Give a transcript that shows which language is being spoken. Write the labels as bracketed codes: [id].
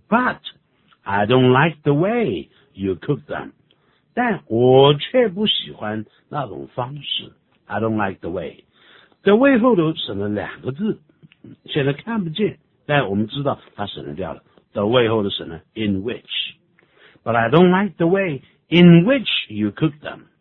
[en] But, I don't like the way you cook them. [zh] 但我却不喜欢那种方式。 [en] I don't like the way. The way [zh] 后头省了两个字。现在看不见。但我们知道它省了掉了。 [en] The way [zh] 后的是呢 [en] ,in which. But I don't like the way in which you cook them.